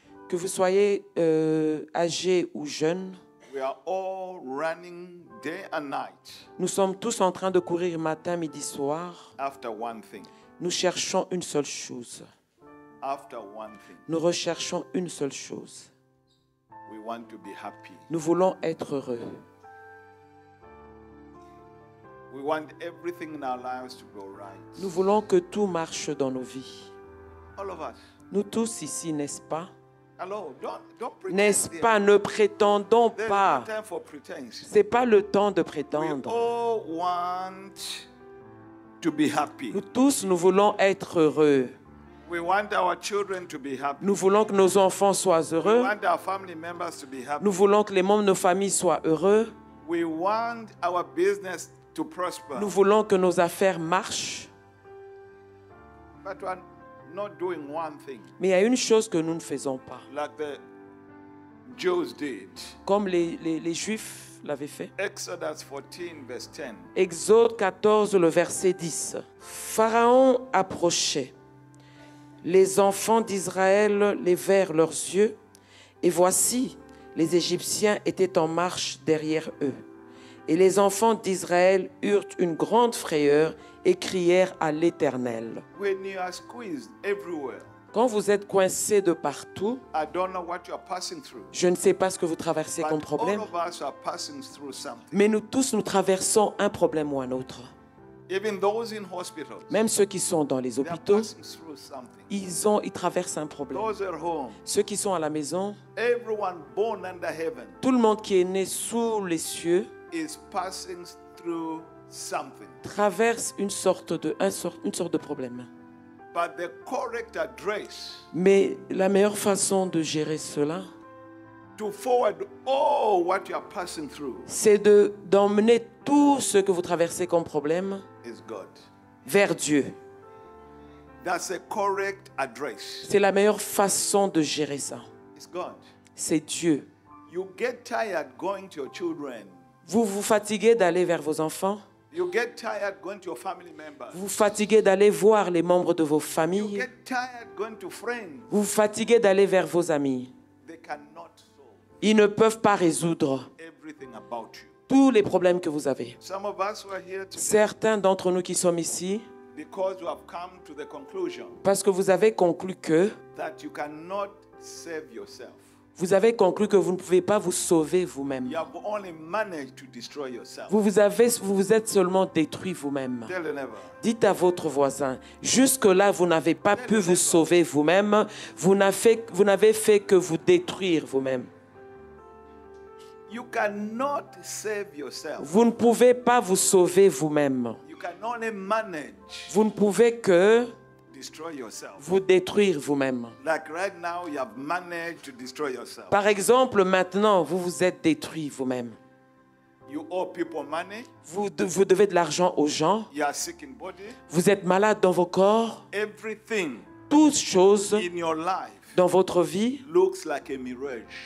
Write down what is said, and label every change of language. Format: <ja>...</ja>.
<fr>que vous soyez âgé ou jeune,</fr> <en>we are all running day and night.</en> <fr>Nous sommes tous en train de courir matin, midi, soir.</fr> <en>After one thing.</en> <fr>Nous cherchons une seule chose.</fr> <en>After one thing.</en> <fr>Nous recherchons une seule chose.</fr> <en>We want to be happy.</en> <fr>Nous voulons être heureux.</fr> <en>We want everything in our lives to go right.</en> <fr>Nous voulons que tout marche dans nos vies.</fr> <en>All of us.</en> <fr>Nous tous ici, n'est-ce pas?</fr> <en>Hello, don't pretend.</en> <fr>N'est-ce pas? Ne prétendons pas.</fr> <en>There's no time for pretense.</en> <fr>C'est pas le temps de prétendre.</fr> <en>We all want to be happy.</en> <fr>Nous tous, nous voulons être heureux.</fr> <en>We want our children to be happy.</en> <fr>Nous voulons que nos enfants soient heureux.</fr> <en>We want our family members to be happy.</en> <fr>Nous voulons que les membres de nos familles soient heureux.</fr> <en>We want our business to prosper.</en> <fr>Nous voulons que nos affaires marchent.</fr> <en>But we're not doing one thing.</en> <fr>Mais il y a une chose que nous ne faisons pas.</fr> <en>Like the Jews did.</en> <fr>Comme les Juifs l'avaient fait.</fr> <en>Exodus 14, verse 10.</en> <fr>Exode 14, le verset 10. Pharaon approchait. Les enfants d'Israël levèrent leurs yeux, et voici, les Égyptiens étaient en marche derrière eux. Et les enfants d'Israël eurent une grande frayeur et crièrent à l'Éternel.</fr> <en>When you are squeezed everywhere,</en> <fr>quand vous êtes coincé de partout,</fr> <en>I don't know what you are passing through,</en> <fr>je ne sais pas ce que vous traversez</fr> <en>but</en> <fr>comme problème,</fr> <en>all of us are passing through something.</en> <fr>Mais nous tous, nous traversons un problème ou un autre.</fr> <en>Even those in hospitals,</en> <fr>même ceux qui sont dans les hôpitaux,</fr> <en>they are passing through something.</en> <fr>Ils traversent un problème.</fr> <en>Those at home,</en> <fr>ceux qui sont à la maison,</fr> <en>everyone born under heaven,</en> <fr>tout le monde qui est né sous les cieux</fr> <en>is passing through something.</en> <fr>Traverse une sorte de problème.</fr> <en>But the correct address,</en> <fr>mais la meilleure façon de gérer cela,</fr> <en>to forward all what you are passing through,</en> <fr>c'est d'emmener tout ce que vous traversez comme problème vers Dieu.</fr> <en>That's a correct address.</en> <fr>C'est la meilleure façon de gérer ça.</fr> <en>It's God.</en> <fr>C'est Dieu.</fr> <en>You get tired going to your children.</en> <fr>Vous vous fatiguez d'aller vers vos enfants.</fr> <en>You get tired going to your family members.</en> <fr>Vous fatiguez d'aller voir les membres de vos familles.</fr> <en>You get tired going to friends.</en> <fr>Vous fatiguez d'aller vers vos amis.</fr> <en>They cannot solve.</en> <fr>Ils ne peuvent pas résoudre</fr> <en>everything about you.</en> <fr>Tous les problèmes que vous avez.</fr> <en>Some of us were here today.</en> <fr>Certains d'entre nous qui sommes ici,</fr> <en>because you have come to the conclusion,</en> <fr>parce que vous avez conclu que</fr> <en>that you cannot save yourself.</en> <fr>Vous avez conclu que vous ne pouvez pas vous sauver vous-même.</fr> <en>You have only managed to destroy yourself.</en> <fr>Vous êtes seulement détruit vous-même. Dites à votre voisin, jusque-là, vous n'avez pas</fr> <en>Tell</en> <fr>pu vous</fr> <en>neighbor.</en> <fr>Sauver vous-même. Vous n'avez fait que vous détruire vous-même.</fr> <en>You cannot save yourself.</en> <fr>Vous ne pouvez pas vous sauver vous-même.</fr> <en>You can only manage.</en> <fr>Vous ne pouvez que</fr> <en>destroy yourself.</en> <fr>Vous détruire vous-même.</fr> <en>Like right now, you have managed to destroy yourself.</en> <fr>Par exemple, maintenant, vous vous êtes détruit vous-même.</fr> <en>You owe people money.</en> <fr>Vous devez de l'argent aux gens.</fr> <en>You are sick in body.</en> <fr>Vous êtes malade dans vos corps.</fr> <en>Everything.</en> <fr>Toutes choses</fr> <en>in your life</en> <fr>dans votre vie</fr> <en>looks like a mirage.</en>